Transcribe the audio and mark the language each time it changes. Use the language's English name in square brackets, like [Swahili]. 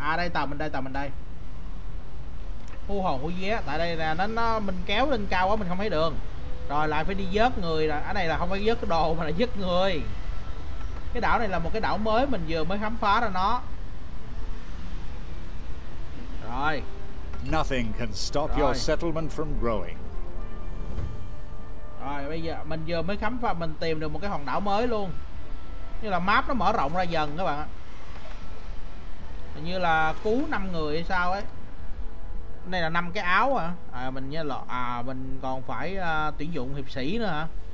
[Vietnamese] Tàu mình đây. Hú hồn hú vía, tại đây là nó mình kéo lên cao quá mình không thấy đường. Rồi lại phải đi vớt người, ở đây là không phải vớt cái đồ mà là vớt người. Cái đảo này là một cái đảo mới, mình vừa mới khám phá ra nó. Rồi. [English] Nothing can stop your settlement from growing. [Vietnamese] Rồi bây giờ mình vừa mới khám phá, mình tìm được một cái hòn đảo mới luôn. Như là map nó mở rộng ra dần các bạn ạ. Hình như là cứu 5 người hay sao ấy. Đây là 5 cái áo hả? Mình còn phải tuyển dụng hiệp sĩ nữa hả?